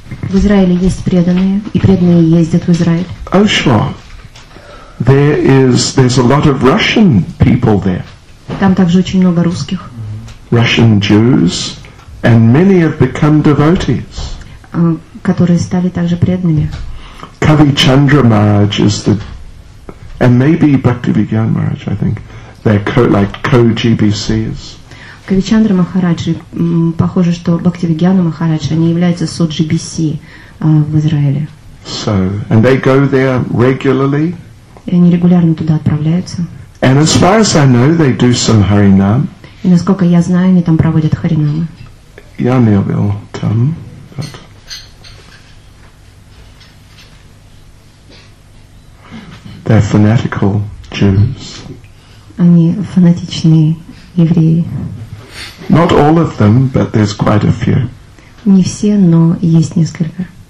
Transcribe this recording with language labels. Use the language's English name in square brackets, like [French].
[Russian] В Израиле есть преданные, и преданные ездят в Израиль. [English] Oh, sure. There's a lot of Russian people there. [Russian] Там также очень много русских. [English] Russian Jews, and many have become devotees. [Russian] Которые стали также преданными. [English] Kavi Chandra Maharaj is the, and maybe Bhaktivigyan Maharaj, I think, they're co-GBCs. [Russian] Kavi Chandra Maharaj, похоже, что Bhaktivigyan Maharaj, они являются со-GBC в Израиле. [English] So, and they go there regularly. [Russian] И они регулярно туда отправляются. [English] And as far as I know, they do some Harinam. [Russian] И насколько я знаю, они там проводят Харинамы. [English] Yanil will come, but... They're fanatical Jews. [Russian] Они фанатичные евреи. [English] Not all of them, but there's quite a few. [Russian] Не все, но есть несколько.